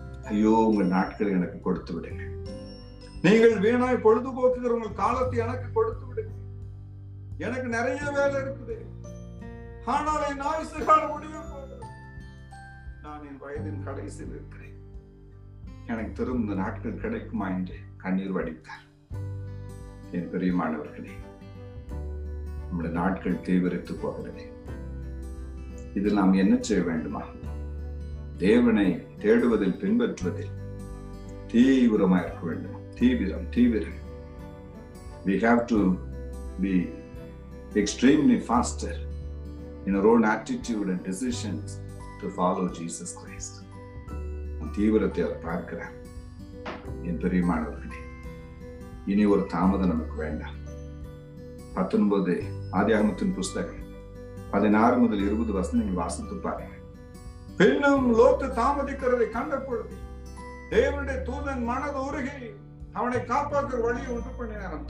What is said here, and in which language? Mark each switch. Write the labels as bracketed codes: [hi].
[ta] ஐயோ, உங்கள் நாட்கள் எனக்கு கொடுத்து விடுங்க, நீங்கள் வீணாய் பொழுதுபோக்குகிற உங்கள் காலத்தை எனக்கு கொடுத்து விடுங்க, எனக்கு நிறைய வேலை இருக்குது, ஆனால் என் ஆயுசு காலம் முடிய போகிறது, நான் என் வயதின் கடைசியில் இருக்கிறேன், எனக்கு திரும்ப நாட்கள் கிடைக்குமா என்று கண்ணீர் வடித்தார். என் பெரியமானவர்களே, நம்முடைய நாட்கள் தீவிரித்து போகிறது. இதில் நாம் என்ன செய்ய வேண்டுமா? தேவனை தேடுவதில், பின்பற்றுவதில் தீவிரமாக இருக்க வேண்டும். தீவிரம், தீவிரம். [en] We have to be extremely faster in our own attitude and decisions to follow Jesus Christ. [ta] தீவிரத்தை அவர் பார்க்கிறார். என் பெரியமானவர்களே, இனி ஒரு தாமதம் நமக்கு வேண்டாம். 19:16 புஸ்தகம் 16-20 வசனங்கள் வாசித்து பாருங்க. பின்னும் லோத்து தாமதிக்கிறதை கண்ட பொழுது தேவனுடைய தூதன் மனது உருகி அவனை காப்பாற்ற வழியை உண்டு பண்ணினார்.